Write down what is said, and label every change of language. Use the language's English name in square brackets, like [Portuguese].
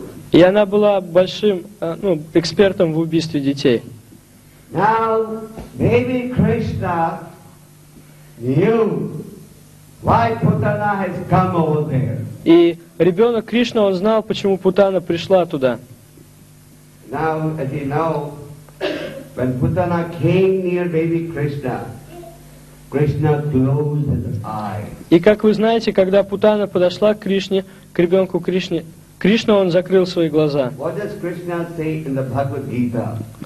[Russian] И она была большим экспертом в убийстве детей. [English] Now, baby Krishna knew why Putana has come over there. [Russian] И ребенок Кришна, он знал, почему Путана пришла туда. [English] Now, as you know, when Putana came near baby Krishna, Krishna closed his eyes. [Russian] И как вы знаете, когда Путана подошла к Кришне, к ребенку Кришне, Кришна, он закрыл свои глаза. [English] What does Krishna say in the Bhagavad Gita?